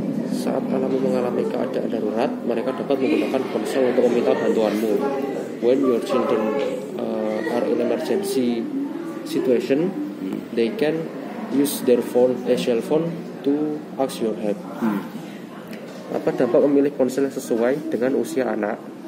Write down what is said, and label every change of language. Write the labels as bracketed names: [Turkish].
[Indonesian] Saat alam mengalami keadaan darurat, mereka dapat menggunakan ponsel untuk meminta bantuanmu. [English] When your children are in emergency situation, they can use their phone, a cell phone, to ask your help. [Indonesian] Apa dampak memilih ponsel yang sesuai dengan usia anak?